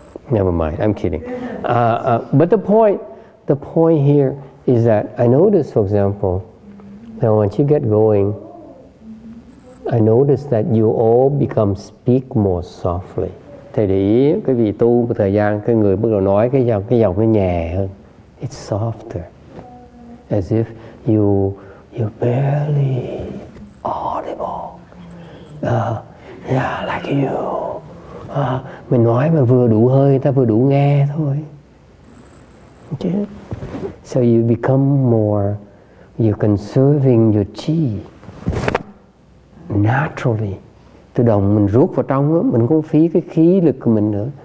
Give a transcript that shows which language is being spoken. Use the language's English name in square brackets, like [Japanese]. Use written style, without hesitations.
[English] Never mind, I'm kidding. But the point here is that I notice, for example, that once you get going, I notice that you all become speak more softly. [Vietnamese] Thầy để ý, cái vị tu một thời gian, cái người bắt đầu nói cái giọng nó nhẹ hơn. [English] It's softer. As if you barely audible. Yeah, like you. [Vietnamese] Mình nói mà vừa đủ hơi, người ta vừa đủ nghe thôi. [English] Okay. So you become more, you're conserving your chi naturally. [Vietnamese] Tự động mình rút vào trong, mình không phí cái khí lực của mình nữa.